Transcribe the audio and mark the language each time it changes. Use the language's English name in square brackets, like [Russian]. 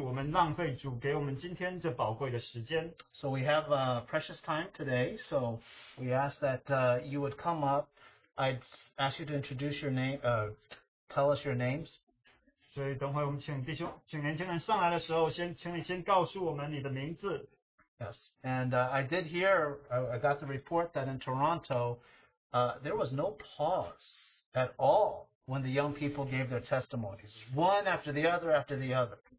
[Chinese] 愿意我们不浪费主给我们今天这宝贵的时间。 [English] So we have a precious time today, so we ask that you would come up. I'd ask you to introduce your name, tell us your names. [Chinese] 所以等会我们请弟兄，请年轻人上来的时候，先请你先告诉我们你的名字。 [English] Yes, and I did hear, I got the report that in Toronto, there was no pause at all when the young people gave their testimonies, one after the other after the other.